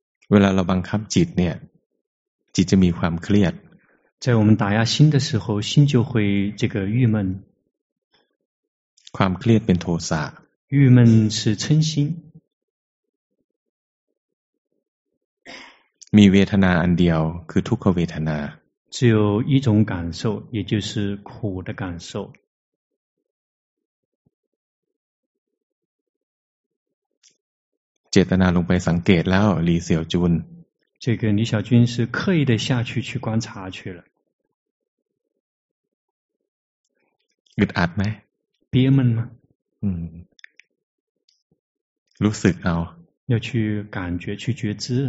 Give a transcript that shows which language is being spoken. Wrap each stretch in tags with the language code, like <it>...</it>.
<th>เวลาเราบังคับจิตเนี่ยจิตจะมีความเครียด</th> <zh>在我们打压心的时候心就会这个郁闷</zh> <th>ความเครียดเป็นโทสะ</th> <zh>郁闷是嗔心</zh> <th>มีเวทนาอันเดียวคือทุกขเวทนา</th> <zh>只有一种感受也就是苦的感受</zh> <th>เจตนาลงไปสังเกตแล้วหลีเสี่ยวจุน</th> <zh>这个李小军是刻意的下去去观察去了</zh> <th>อึดอัดไหม</th> <zh>憋闷吗</zh> <th>รู้สึกเอา</th> <zh>要去感觉去觉知</zh>